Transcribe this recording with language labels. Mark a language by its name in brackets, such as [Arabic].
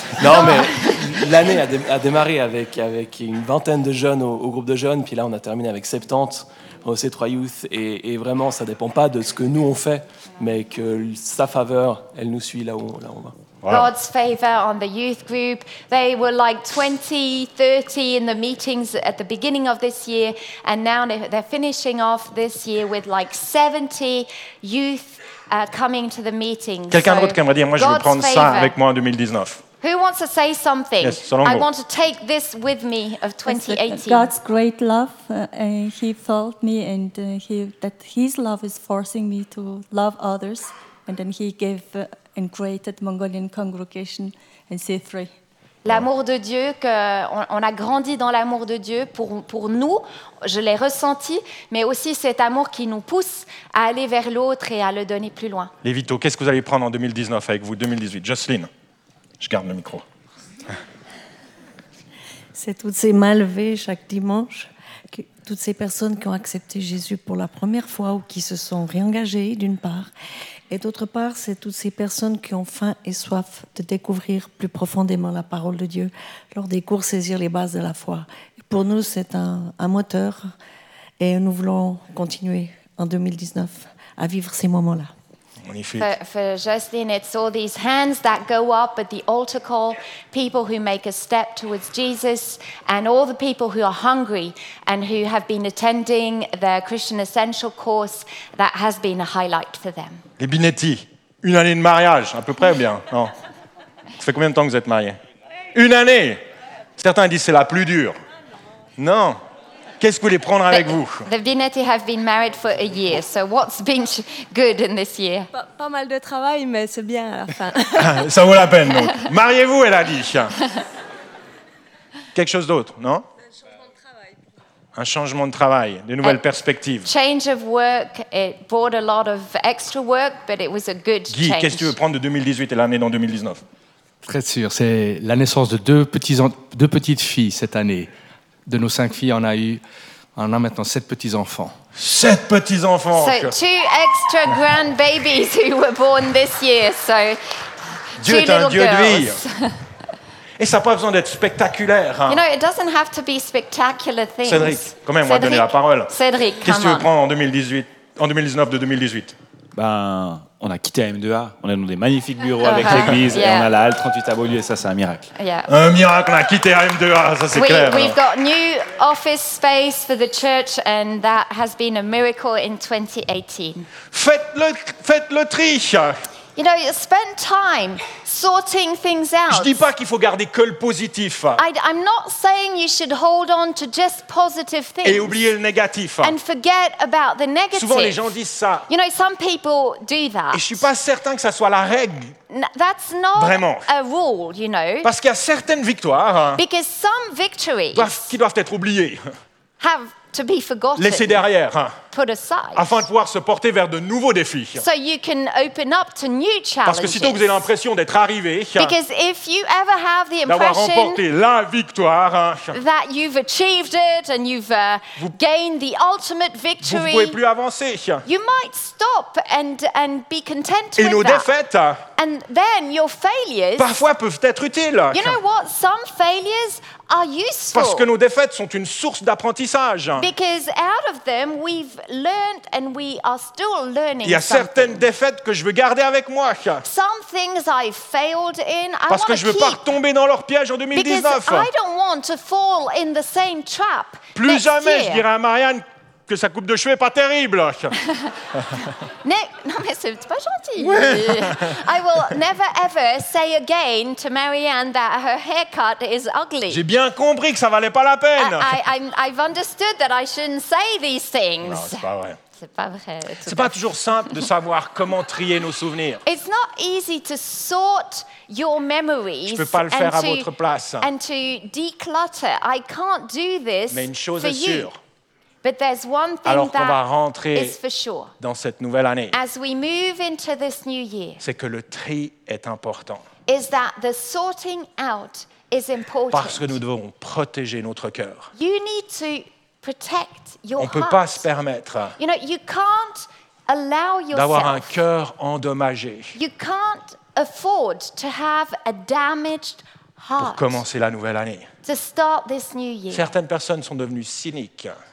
[French] Non, mais l'année a démarré avec une vingtaine de jeunes au groupe de jeunes, puis là, on a terminé avec 70 au C3 Youth, et vraiment, ça dépend pas de ce que nous on fait, mais que sa faveur, elle nous suit là où on va. Voilà. [English] God's favor on the youth group. They were like 20, 30 in the meetings at the beginning of this year, and now they're finishing off this year with like 70 youth coming to the meetings. [French] Quelqu'un d'autre qui aimerait dire, moi je veux prendre ça avec moi en 2019. [English] Who wants to say something? Yes, Solongo. I want to take this with me of 2018. God's great love, he felt me, and that his love is forcing me to love others, and then he gave and created Mongolian congregation in C3. [French] L'amour de Dieu, qu'on a grandi dans l'amour de Dieu pour nous, je l'ai ressenti, mais aussi cet amour qui nous pousse à aller vers l'autre et à le donner plus loin. Lévito, qu'est-ce que vous allez prendre en 2019 avec vous, 2018? Jocelyne, je garde le micro. C'est toutes ces mains levées chaque dimanche, toutes ces personnes qui ont accepté Jésus pour la première fois ou qui se sont réengagées d'une part, et d'autre part, c'est toutes ces personnes qui ont faim et soif de découvrir plus profondément la parole de Dieu lors des cours Saisir les bases de la foi. Et pour nous, c'est un moteur et nous voulons continuer en 2019 à vivre ces moments-là. [English] For Jocelyn, it's all these hands that go up at the altar call, people who make a step towards Jesus, and all the people who are hungry and who have been attending the Christian Essential course that has been a highlight for them. [French] Les Binetti, une année de mariage, à peu près, bien, non? Ça fait combien de temps que vous êtes mariés? Une année! Certains disent que c'est la plus dure. Non! Qu'est-ce que vous voulez prendre avec vous? [English] The Binetti have been married for a year, so what's been good in this year? [French] Pas mal de travail, mais c'est bien à la fin. Ça vaut la peine, donc. Mariez-vous, elle a dit. Quelque chose d'autre, non? Un changement de travail, de nouvelles perspectives. [English] Change of work, it brought a lot of extra work, but it was a good [French] Guy, [English] change. [French] Guy, qu'est-ce que tu veux prendre de 2018 et l'année dans 2019? Très sûr, c'est la naissance de deux petites filles cette année. De nos cinq filles, on a maintenant sept petits-enfants. Sept petits-enfants! [English] So, two extra grandbabies who were born this year, so [French] Dieu est un Dieu [English] girls. [French] De vie. Et ça n'a pas besoin d'être spectaculaire. Hein. [English] You know, it doesn't have to be spectacular things. [French] Cédric, quand même, on va donner la parole. Cédric, qu'est-ce que tu veux prendre en 2019 de 2018? on a quitté M2A, on est dans des magnifiques bureaux avec l'église et on a la halle 38 à Beaulieu, et ça c'est un miracle. [English] Yeah. [French] Un miracle, on a quitté M2A, ça c'est clair. [English] We've got new office space for the church and that has been a miracle in 2018. [French] Faites le tri. [English] You know, spend time sorting things out. [French] Je dis pas qu'il faut garder que le positif. [English] I'm not saying you should hold on to just positive things. [French] Et oublier le négatif. [English] And forget about the negative. [French] Souvent les gens disent ça. [English] You know, some people do that. [French] Et je suis pas certain que ça soit la règle. [English] That's not [French] vraiment [English] a rule, you know. [French] Parce qu'il y a certaines victoires. [English] Because some victories [French] doivent être oubliées. [English] Have to be forgotten. [French] Laissées derrière. [English] Put aside. [French] Afin de pouvoir se porter vers de nouveaux défis. [English] So you can open up to new challenges. [French] Parce que sitôt que vous avez l'impression d'être arrivé, [English] because if you ever have the impression [French] d'avoir remporté la victoire, [English] that you've achieved it and you've gained the ultimate victory, [French] vous ne pouvez plus avancer. [English] You might stop and be content [French] et [English] with [French] nos [English] that. [French] Défaites, [English] and then your failures, [French] parfois peuvent être utiles. [English] You know what? Some failures are useful. [French] Parce que nos défaites sont une source d'apprentissage. [English] Because out of them we've learned and we are still learning. [French] Il y a certaines défaites que je veux garder avec moi. [English] Some things I failed in, I [French] parce que je ne veux [English] keep. [French] Pas retomber dans leur piège en 2019. [English] Because I don't want to fall in the same trap. [French] Plus [English] next [French] jamais, [English] year. [French] Je dirai à Marianne que sa coupe de cheveux est pas terrible. Non mais c'est pas gentil. Oui. [English] I will never ever say again to Marianne that her haircut is ugly. [French] J'ai bien compris que ça valait pas la peine. [English] I've understood that I shouldn't say these things. [French] Non, c'est pas vrai. C'est pas vrai. C'est pas toujours simple de savoir comment trier nos souvenirs. [English] It's not easy to sort your memories. [French] Je peux pas le faire à votre place. [English] And to declutter. I can't do this. [French] Mais une chose est sûre. [English] But there's one thing [French] alors [English] that [French] qu'on va rentrer [English] is for sure, [French] dans cette nouvelle année, [English] as we move into this new year, [French] c'est que le tri est important. [English] Is that the sorting out is important. [French] Parce que nous devons protéger notre cœur. [English] You need to protect your [French] on ne peut pas se permettre, [English] you know, you can't allow yourself, [French] d'avoir un cœur endommagé. [English] You can't afford to have a damaged heart [French] pour commencer la nouvelle année. [English] To start this new year. [French] Certaines personnes sont devenues cyniques.